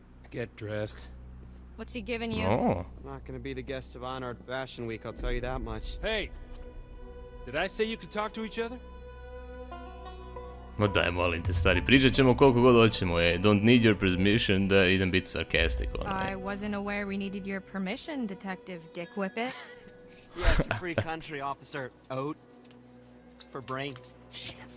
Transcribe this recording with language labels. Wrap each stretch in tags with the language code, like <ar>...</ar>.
<en>Get dressed. What's he giving you? Oh. I'm not gonna be the guest of honor at Fashion Week, I'll tell you that much. Hey! Did I say you could talk to each other?</en> <hr>Ma daj, molim te, stari, pričat ćemo koliko god hoćemo, eh.</hr> <en>Don't need your permission,</en> <hr>da idem biti</hr> <en>sarcastic, ono, eh. I wasn't aware we needed your permission, Detective Dick Whippet. Yeah, it's a free country, officer. Oat. For brains. Shit.</en>